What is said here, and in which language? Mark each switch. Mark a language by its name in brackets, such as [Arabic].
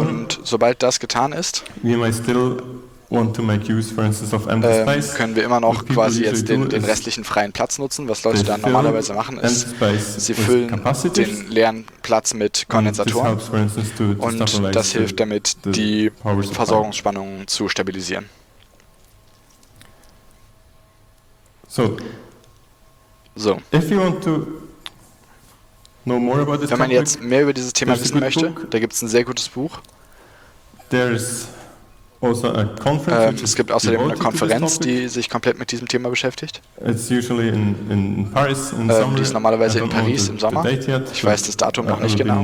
[German] und sobald das getan ist, können wir immer noch quasi jetzt den restlichen freien Platz nutzen. Was Leute da normalerweise machen, ist, sie füllen den leeren Platz mit Kondensatoren und das hilft damit, die Versorgungsspannung zu stabilisieren. So. [English] If you want to know more about this [German] Wenn man jetzt mehr über dieses Thema wissen möchte, da gibt es ein sehr gutes Buch. [English] Also a [German] es gibt außerdem eine Konferenz, die sich komplett mit diesem Thema beschäftigt. [English] It's usually in Paris in [German] die ist normalerweise in Paris im Sommer. Ich weiß das Datum noch nicht genau.